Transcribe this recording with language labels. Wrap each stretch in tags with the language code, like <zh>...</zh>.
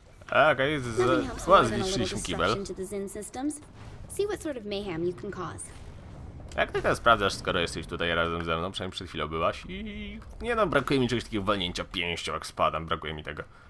<pl>Okay, zniszczyliśmy kibel.</pl> <en>See what sort of mayhem you can cause.</en> <pl>Jak ty teraz sprawdzasz, skoro jesteś tutaj razem ze mną, przynajmniej przed chwilą byłaś i... Nie no, brakuje mi czegoś takiego walnięcia pięścią, jak spadam, brakuje mi tego.</pl>